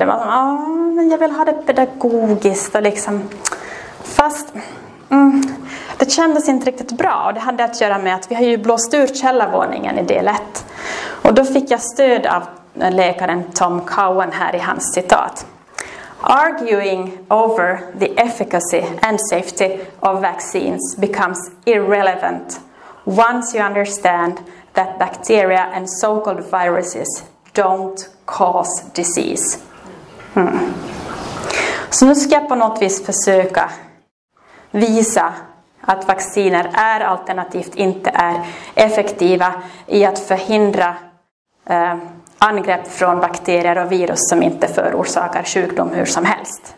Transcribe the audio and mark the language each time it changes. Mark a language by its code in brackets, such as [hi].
[sv] Det var som, jag vill ha det pedagogiskt. Och liksom, fast... det kändes inte riktigt bra och det hade att göra med att vi har ju blåst ur källarvåningen i del 1. Och då fick jag stöd av läkaren Tom Cowan här i hans citat. [en] Arguing over the efficacy and safety of vaccines becomes irrelevant once you understand that bacteria and so-called viruses don't cause disease. [sv] Så nu ska jag på något vis försöka visa att vacciner är alternativt inte är effektiva i att förhindra angrepp från bakterier och virus som inte förorsakar sjukdom hur som helst.